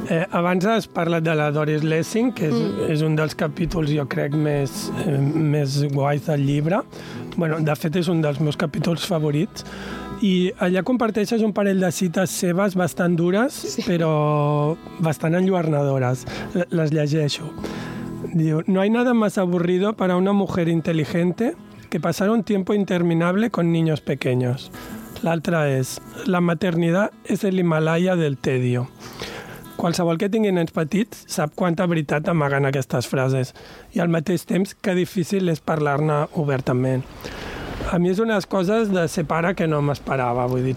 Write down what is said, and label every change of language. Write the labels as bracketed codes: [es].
[ca] Abans has parlat de la Doris Lessing, que és, és un dels capítols, jo crec, més, més guais del llibre. Bueno, de fet, és un dels meus capítols favorits. I allà comparteixes un parell de cites seves bastant dures, sí, però bastant enlluernadores. Les llegeixo. [es] Diu: "No hay nada más aburrido para una mujer inteligente que pasar un tiempo interminable con niños pequeños". [ca] L'altra és: "La maternitat és l'Himàlaia del tedio". Qualsevol que tingui nens petits sap quanta veritat amaguen aquestes frases. I al mateix temps, que difícil és parlar-ne obertament. A mi és una de les coses de ser pare que no m'esperava. Vull dir,